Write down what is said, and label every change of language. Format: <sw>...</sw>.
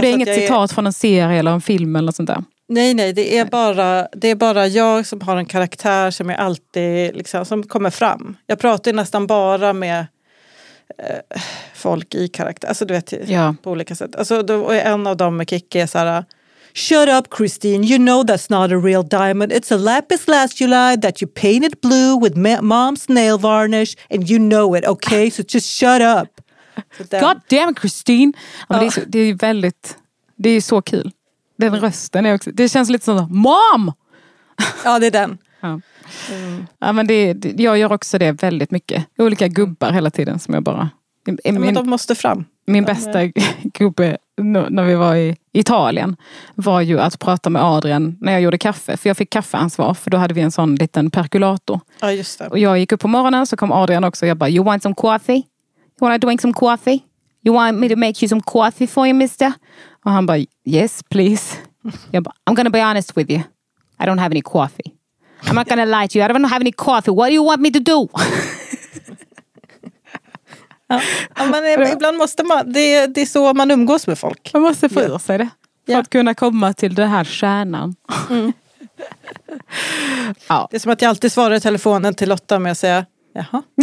<sv>det är inget citat från en serie eller en film eller sånt där? Nej, det är bara jag som har en karaktär som är alltid liksom, som kommer fram. Jag pratar ju nästan bara med folk i karaktär. Alltså du vet, på olika sätt. Alltså, då är en av dem med Kiki är så här...</sv> <en>Shut up, Christine. You know that's not a real diamond. It's a lapis lazuli that you painted blue with mom's nail varnish. And you know it, okay? So just shut up. God damn, Christine.</en> <sv>Ja, men det är väldigt... Det är ju så kul. Den rösten är också... Det känns lite som mom! Ja, det är den. Ja, ja men jag gör också det väldigt mycket. Olika gubbar hela tiden som jag bara... Men de måste fram. Min bästa gubbe när vi var i Italien var ju att prata med Adrian när jag gjorde kaffe. För jag fick kaffeansvar, för då hade vi en sån liten perkulator. Ja, just det. Och jag gick upp på morgonen, så kom Adrian också och jag bara,</sv> <en>you want some coffee? You want to drink some coffee? You want me to make you some coffee for you, mister?</en> <sv>Och han bara,</sv> <en>yes, please.</en> <sv>Jag bara,</sv> <en>I'm gonna be honest with you. I don't have any coffee. I'm not gonna lie to you. I don't have any coffee. What do you want me to do?</en> <sv>Ja, men ibland måste man, det är så man umgås med folk. Man måste få ur sig det. För att kunna komma till den här kärnan. Mm. Ja. Det är som att jag alltid svarar i telefonen till Lotta med att säga, jaha.</sv>